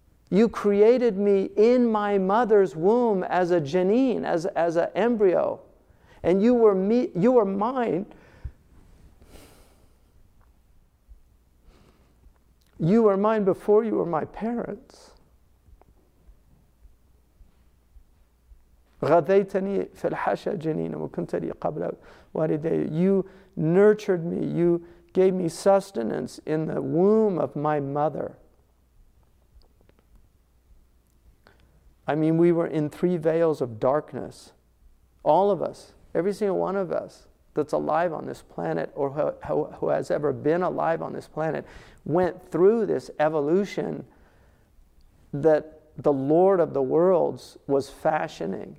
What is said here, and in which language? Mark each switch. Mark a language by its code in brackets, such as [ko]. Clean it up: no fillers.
[en] You created me in my mother's womb as a janine, as an embryo. And you were mine. You were mine before you were my parents. [ar] غَذَيْتَنِي فِي الْحَشَى جَنِينَ وَكُنْتَ لِي قَبْلَ وَالِدَيَّ. [en] You nurtured me. You g- gave me sustenance in the womb of my mother. I mean, we were in three veils of darkness. All of us, every single one of us that's alive on this planet or who has ever been alive on this planet went through this evolution that the Lord of the worlds was fashioning.